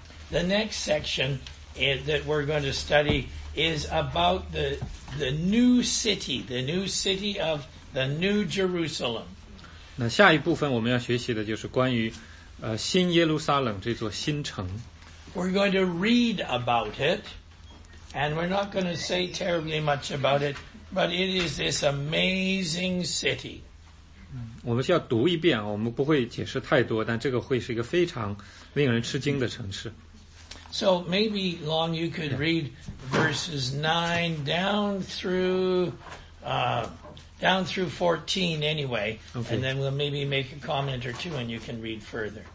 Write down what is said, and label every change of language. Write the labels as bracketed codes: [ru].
[en] The next section that we're going to study is about the new city, the new city of the new Jerusalem. [zh] 那下一部分我们要学习的就是关于新耶路撒冷这座新城。 [en] We're going to read about it, and we're not going to say terribly much about it, but it is this amazing city. [zh] 我们需要读一遍，我们不会解释太多，但这个会是一个非常令人吃惊的城市。 [en] So maybe, Long, you could read verses 9 down through 14 anyway, okay. And then we'll maybe make a comment or two and you can read further.